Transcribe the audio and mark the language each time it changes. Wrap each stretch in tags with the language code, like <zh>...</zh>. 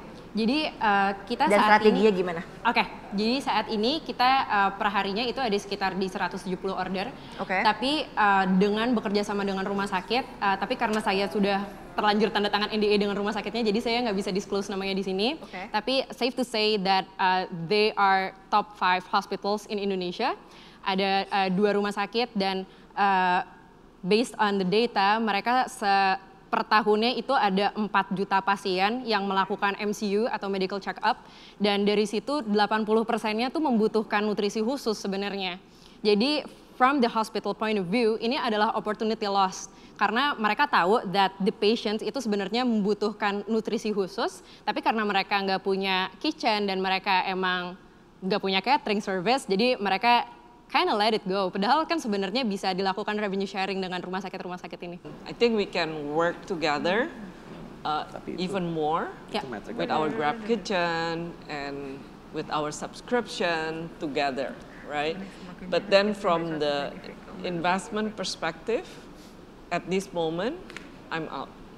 <id>Jadi kita dan saat ini gimana? Jadi saat ini kita perharinya itu ada sekitar di 170 order. Tapi dengan bekerja sama dengan rumah sakit, tapi karena saya sudah terlanjur tanda tangan NDA dengan rumah sakitnya, jadi saya nggak bisa disclose namanya di sini. Tapi</id> <en>safe to say that they are top 5 hospitals in Indonesia.</en> <id>Ada dua rumah sakit dan</id> <en>based on the data</en> <id>mereka per tahunnya itu ada 4 juta pasien yang melakukan MCU atau medical check-up, dan dari situ 80%-nya tuh membutuhkan nutrisi khusus sebenarnya. Jadi</id> <en>from the hospital point of view,</en> <id>ini adalah opportunity lost, karena mereka tahu</id> <en>that the patients</en> <id>itu sebenarnya membutuhkan nutrisi khusus, tapi karena mereka nggak punya kitchen dan mereka emang nggak punya catering service, jadi mereka</id> <en>kind of let it go.</en> <id>Padahal kan sebenarnya bisa dilakukan revenue sharing dengan rumah sakit-rumah sakit ini.</id> <en>I think we can work together even more with our Grab Kitchen and with our subscription together, right? But then from the investment perspective, at this moment, I'm out.</en>